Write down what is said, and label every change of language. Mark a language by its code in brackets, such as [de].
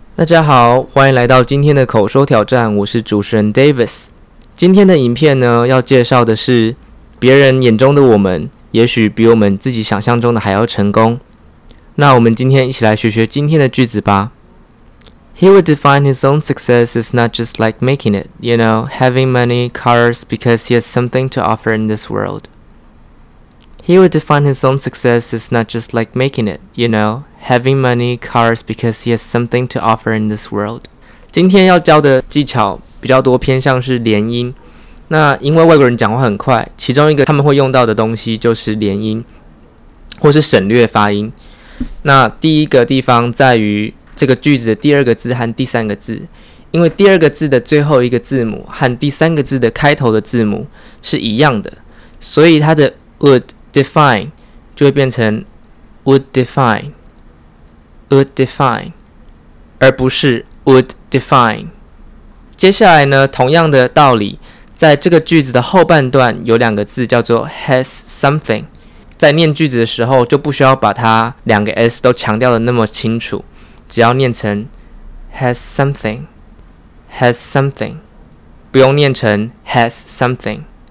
[zh] 大家好，欢迎来到今天的口说挑战，我是主持人 Davis。今天的影片呢，要介绍的是别人眼中的我们也许比我们自己想象中的还要成功。那我们今天一起来学学今天的句子吧。 [en] He would define his own success as not just like making it, you know, having money, cars, because he has something to offer in this world. He would define his own success as not just like making it, you know,Having money, cars, because he has something to offer in this world. [zh] 今天要教的技巧比较多偏向是连音。那因为外国人讲话很快，其中一个他们会用到的东西就是连音，或是省略发音。那第一个地方在于这个句子的第二个字和第三个字，因为第二个字的最后一个字母和第三个字的开头的字母是一样的，所以它的 [en] would define [zh] 就会变成 would define。 [en] Would define, [zh] 而不是 [en] would define. [zh] 接下来呢，同样的道理，在这个句子的后半段有两个字叫做 [en] has something. [zh] 在念句子的时候就不需要把它两个 s 都强调的那么清楚，只要念成 [en] has something, has something, [zh] 不用念成 [en] has something.